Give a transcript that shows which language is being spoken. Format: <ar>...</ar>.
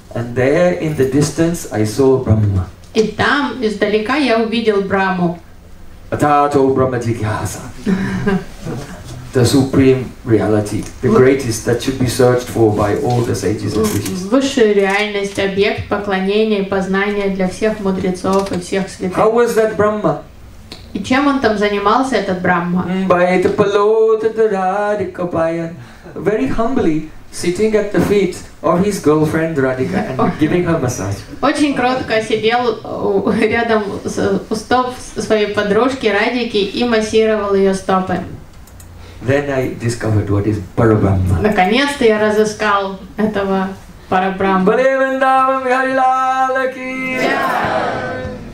<en>And there, in the distance, I saw Brahma.</en> <ru>И там издалека я увидел Брахму.</ru> <sa>Atato Brahmajigyasa.</sa> <en>The supreme reality, the greatest that should be searched for by all the sages and rishis.</en> <ru>Высшая реальность, объект поклонения и познания для всех мудрецов и всех святых.</ru> <en>How was that Brahma?</en> <ru>И чем он там занимался, этот Брахма?</ru> <bra>Baita palota taradika payan.</bra> <en>Very humbly sitting at the feet of his girlfriend Radhika and giving her massage.</en> <ru>Очень кротко сидел рядом у стоп своей подружки Радики и массировал ее стопы.</ru> <en>Then I discovered what is Parabrahma.</en> <ru>Наконец-то я разыскал этого Парабрахма.</ru> <hi>Bhale Vrindavan Bihari Lal Ki.</hi>